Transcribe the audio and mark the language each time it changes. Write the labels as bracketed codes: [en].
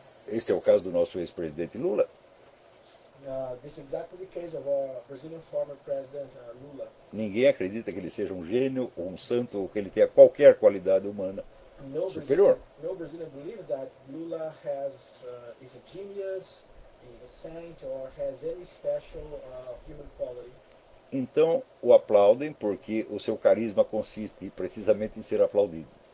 [pt] Este é o caso do nosso ex-presidente Lula. [en] This is exactly the case of our Brazilian former president Lula. [pt] Ninguém acredita que ele seja um gênio ou um santo ou que ele tenha qualquer qualidade humana superior. [en] No Brazilian believes that Lula has is a genius, is a saint or has any special human quality. [pt] Então o aplaudem porque o seu carisma consiste precisamente em ser aplaudido.